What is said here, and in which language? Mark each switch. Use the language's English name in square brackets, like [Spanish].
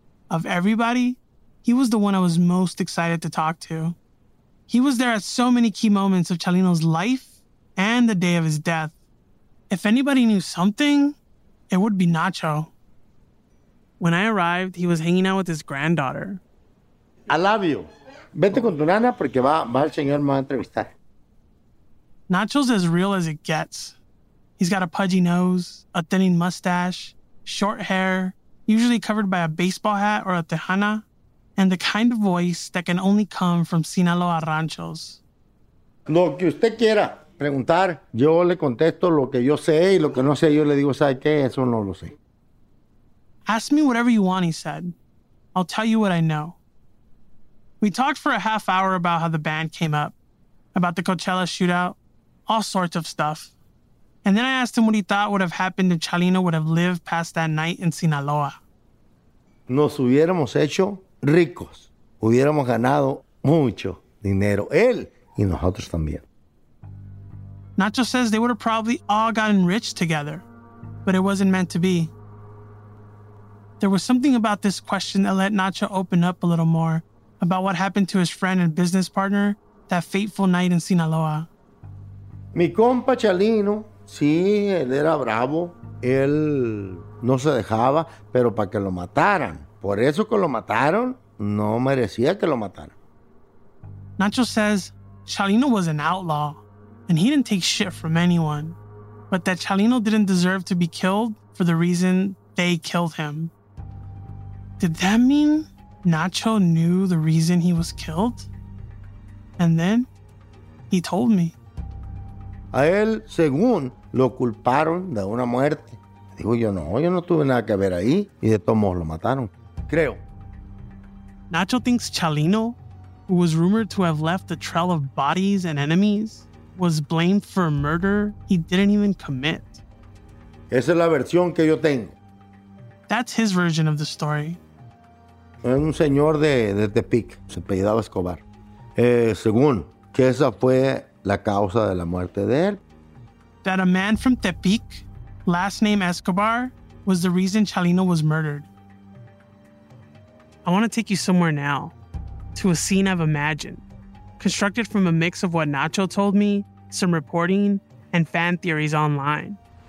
[English] Of everybody, he was the one I was most excited to talk to. He was there at so many key moments of Chalino's life and the day of his death. If anybody knew something, it would be Nacho. When I arrived, he was hanging out with his granddaughter. I love you. [Spanish] Vete con tu nana porque va el señor me va a entrevistar. [English] Nacho's as real as it gets. He's got a pudgy nose, a thinning mustache, short hair, usually covered by a baseball hat or a tejana, and the kind of voice that can only come from Sinaloa ranchos. [Spanish] Lo que usted quiera preguntar, yo le contesto lo que yo sé, y lo que no sé, yo le digo, ¿sabe qué? Eso no lo sé. [English] Ask me whatever you want, he said. I'll tell you what I know. We talked for a half hour about how the band came up, about the Coachella shootout, all sorts of stuff. And then I asked him what he thought would have happened if Chalino would have lived past that night in Sinaloa. [Spanish] Nos hubiéramos hecho ricos. Hubiéramos ganado mucho dinero. Él y nosotros también. [English] Nacho says they would have probably all gotten rich together, but it wasn't meant to be. There was something about this question that let Nacho open up a little more about what happened to his friend and business partner that fateful night in Sinaloa. [Spanish] Mi compa Chalino, sí, él era bravo. Él no se dejaba, pero para que lo mataran. Por eso que lo mataron, no merecía que lo mataran. [English] Nacho says Chalino was an outlaw, and he didn't take shit from anyone, but that Chalino didn't deserve to be killed for the reason they killed him. Did that mean Nacho knew the reason he was killed? And then he told me. [Spanish] A él, según, lo culparon de una muerte. Dijo, yo no tuve nada que ver ahí, y de todos modos lo mataron, creo. [English] Nacho thinks Chalino, who was rumored to have left a trail of bodies and enemies, was blamed for a murder he didn't even commit. [Spanish] Esa es la versión que yo tengo. [English] That's his version of the story. [Spanish] Era un señor de Tepic, se apellidaba Escobar. Según que esa fue la causa de la muerte de él. [English] That a man from Tepic, last name Escobar, was the reason Chalino was murdered. I want to take you somewhere now, to a scene I've imagined, constructed from a mix of what Nacho told me, some reporting, and fan theories online.